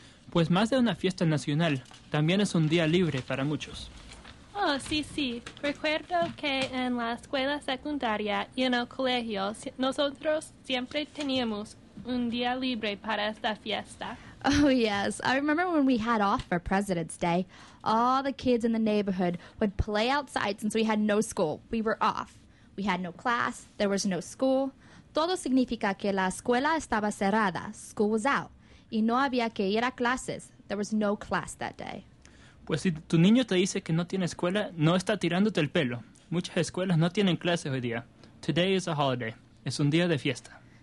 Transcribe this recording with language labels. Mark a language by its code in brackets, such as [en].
[es] Pues más de una fiesta nacional, también es un día libre para muchos. Oh, sí, sí. Recuerdo que en la escuela secundaria y en el colegio, nosotros siempre teníamos un día libre para esta fiesta. [en] Oh, yes. I remember when we had off for President's Day. All the kids in the neighborhood would play outside since we had no school. We were off. We had no class. There was no school. [es] Todo significa que la escuela estaba cerrada, [en] school was out, [es] y no había que ir a clases. [en] There was no class that day. [es] Pues si tu niño te dice que no tiene escuela, no está tirándote el pelo. Muchas escuelas no tienen clases hoy día. [en] Today is a holiday. [es] Es un día de fiesta.